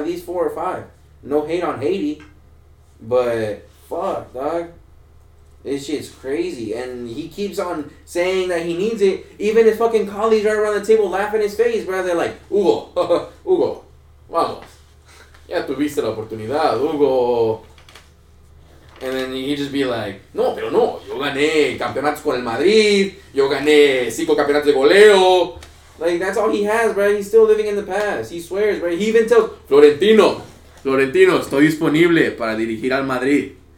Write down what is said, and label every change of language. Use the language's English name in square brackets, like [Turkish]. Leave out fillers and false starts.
[English] At least 4 or 5. No hate on Haiti. But... fuck, dog. This shit's crazy. And he keeps on saying that he needs it. Even his fucking colleagues right around the table laugh in his face, bro. They're like, Hugo, Hugo, [Spanish] vamos. Ya tuviste la oportunidad, Hugo. [English] And then he'd just be like, [Spanish] no, pero no. Yo gané campeonatos con el Madrid. Yo gané 5 campeonatos de goleo. [English] Like, that's all he has, bro. He's still living in the past. He swears, bro. He even tells Florentino, [Spanish] estoy disponible para dirigir al Madrid.